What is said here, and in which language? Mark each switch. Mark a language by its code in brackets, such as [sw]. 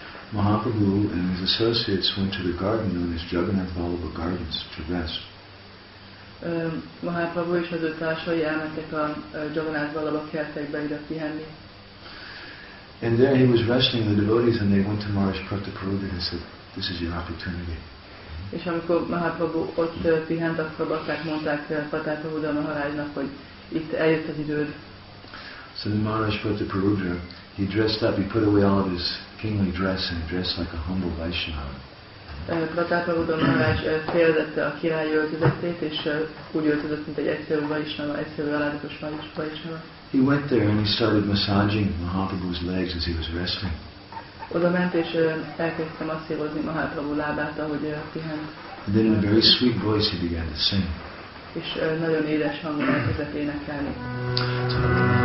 [en] Mahaprabhu and his associates went to the garden known as Jagannath Vallabha Gardens to rest. [hu] Mahaprabhu és az ő társai elmentek a Jagannath Vallabha kertekbe ide pihenni. [en] And there he was resting the devotees and they went to Maharaj Pratapabuddha and said, this is your opportunity. [hu] És amikor Mahaprabhu ott pihent, akkor bakták mondták Pratapabuddha Maharajnak, hogy itt eljött az időd. [en] So then Maharaj Pratapabuddha, he dressed up, he put away all of his kingly dress and dressed like a humble Vaishnava. [hu] Pratapabuddha Maharaj féltette a királyi öltözetét, és úgy öltözött, mint egy egyszerű Vaishnava, egyszerű aládatos Vaishnava. [en] He went there and he started massaging Mahaprabhu's legs as he was resting. [hu] Oda ment és elkezdte masszírozni Mahaprabhu lábát, ahogy pihent. [en] Then in a very sweet voice he began to sing. [hu] És nagyon édes hangon elkezdett énekelni.